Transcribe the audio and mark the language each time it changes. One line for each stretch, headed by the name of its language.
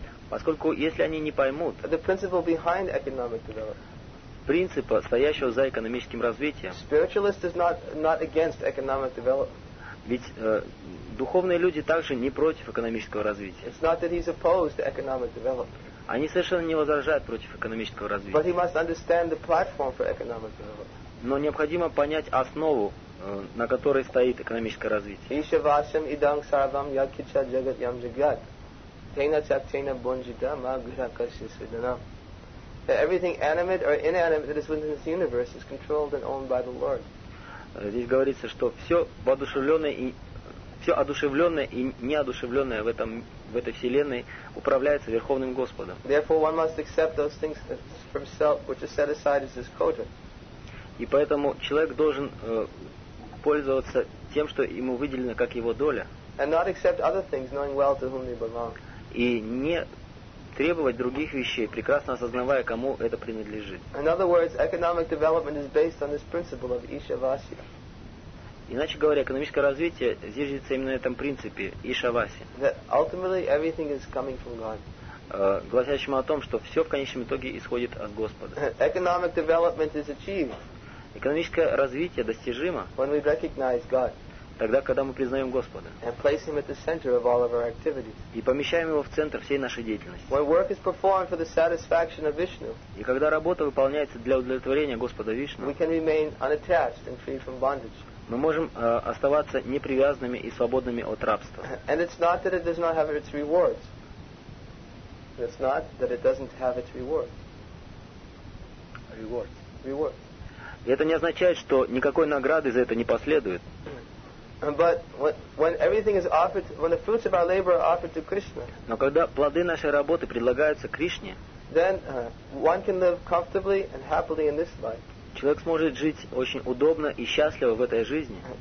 Russian: поскольку если они не поймут
English: the principle behind economic development,
Russian: принципа, стоящего за экономическим развитием.
English: Spiritualist is not against economic development.
Russian: Ведь духовные люди также не против экономического развития.
English: It's not that he's opposed to economic development.
Russian: Они совершенно не возражают против экономического развития.
English: But he must understand the platform for economic development.
Russian: Но необходимо понять основу, на которой стоит экономическое развитие. Иша вашим идам саравам якича джагат ям джагат. Тейна цяк тейна бонжида ма гуша каши свиданам.
English: That everything animate or inanimate that is within this universe is controlled and owned by the Lord.
Russian: Здесь говорится, что все одушевленное и неодушевленное в этой вселенной управляется Верховным Господом.
English: Therefore, one must accept those things from self which is set aside as his quota.
Russian: И поэтому человек должен пользоваться тем, что ему выделено как его доля.
English: And not accept other things, knowing well to whom they belong.
Russian: И не требовать других вещей, прекрасно осознавая, кому это принадлежит.
English: In other words, economic development is based on this principle of Ishavasya.
Russian: Иначе говоря, экономическое развитие зиждется именно на этом принципе Ishavasya.
English: That ultimately everything is coming from God.
Russian: Гласящему о том, что все в конечном итоге исходит от Господа.
English: Economic development is achieved.
Russian: Экономическое развитие достижимо.
English: When we recognize God.
Russian: Тогда, когда мы признаем Господа.
English: And place Him at the center of all of our activities.
Russian: И помещаем Его в центр всей нашей деятельности.
English: When work is performed for the satisfaction of Vishnu.
Russian: И когда работа выполняется для удовлетворения Господа Вишну.
English: We can remain unattached and free from bondage.
Russian: Мы можем оставаться непривязанными и свободными от рабства.
English: And it's not that it does not have its rewards. It's not that it doesn't have its rewards. Rewards. Rewards.
Russian: И это не означает, что никакой награды за это не последует.
English: But when everything is offered, when the fruits of our labor are offered to Krishna.
Russian: Но когда плоды нашей работы предлагаются Кришне.
English: Then one can live comfortably and happily in this life.
Russian: Человек сможет жить очень удобно и счастливо в этой жизни.